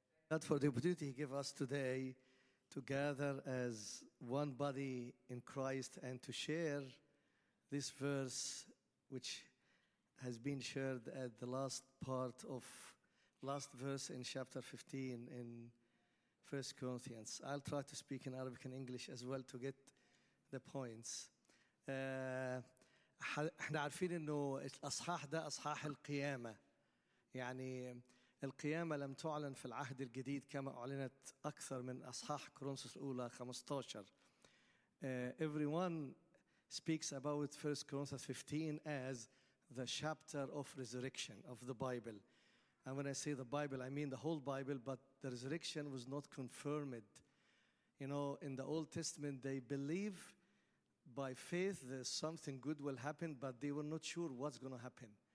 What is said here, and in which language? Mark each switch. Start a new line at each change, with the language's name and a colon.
English: God for the opportunity He gave us today to gather as one body in Christ and to share this verse, which has been shared at the last part of last verse in chapter 15 in 1 Corinthians. I'll try to speak in Arabic and English as well to get the points.
Arabic: احنا عارفين انه الاصحاح ده اصحاح القيامه يعني القيامه لم تعلن في العهد الجديد كما اعلنت اكثر من اصحاح كورنثوس الاولى 15.
English: Everyone speaks about 1 Corinthians 15 as the chapter of resurrection of the Bible, and when I say the Bible I mean the whole Bible, but the resurrection was not confirmed. You know, in the Old Testament they believe by faith that something good will happen, but they were not sure what's going to happen.